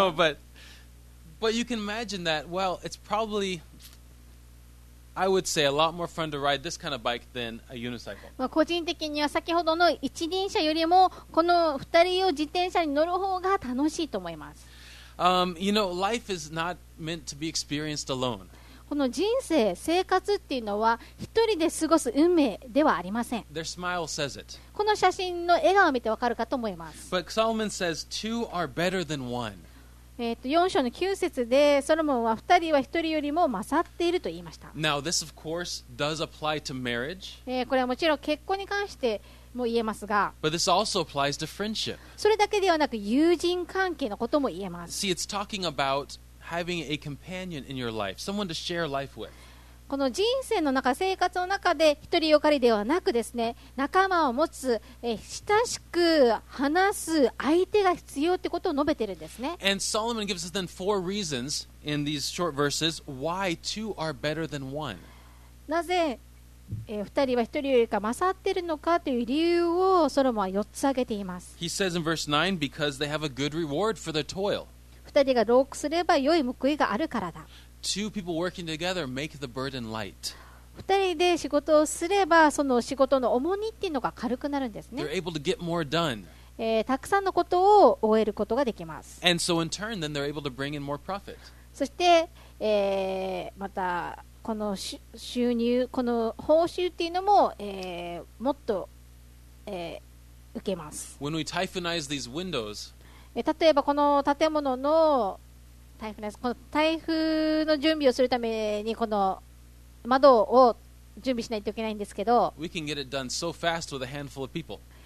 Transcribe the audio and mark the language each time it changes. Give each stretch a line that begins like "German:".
English: No, but you can imagine that. Well, it's probably, I would say, a lot more fun to ride this kind of bike than a unicycle.
Japanese: まあ個人的には先ほどの一輪車よりもこの二人用自転車に乗る方が楽しいと思います。
English: You know, life is not meant to be experienced alone.
Japanese: この人生、生活っていうのは一人で過ごす運命ではありません。
English: Their smile says it.
Japanese: この写真の笑顔を見てわかるかと思います。
English: But Solomon says two are better than one.
Japanese: 4章の9節でソロモンは2人は1人よりも勝っていると言いました。
English: Now, this of course does apply to marriage.
Japanese: これはもちろん結婚に関しても言えますが、
English: But this also applies to friendship.
Japanese: それだけではなく友人関係のことも言えます。
English: See, it's talking about having a companion in your life, someone to share life with.
Japanese: この人生の中、生活の中で一人よかりではなくですね、仲間を持つ、親しく話す相手が必要ってことを述べてるんですね。
English: And Solomon gives us then four reasons in these short verses why two are better than one.
Japanese: なぜ、二人は一人よりか勝っているのかという理由をソロモンは四つ挙げています。
English: He says in verse 9, because they have a good reward for their toil.
Japanese: 二人が労苦すれば良い報いがあるからだ。
English: Two people working together make the burden light.
Japanese: 二人で仕事をすればその仕事の重荷っていうのが軽くなるんですね。
English: They're able to get more done.
Japanese: たくさんのことを終えることができます。
English: And so in turn, then they're able to bring in more profit.
Japanese: そして、またこの収入、この報酬っていうのも、もっと、受けます。
English: When we typhoonize these windows,
Japanese: 例えばこの建物のこの台風の準備をするためにこの窓を準備しないといけないんですけど、
English: We can get it done so fast with a handful of people.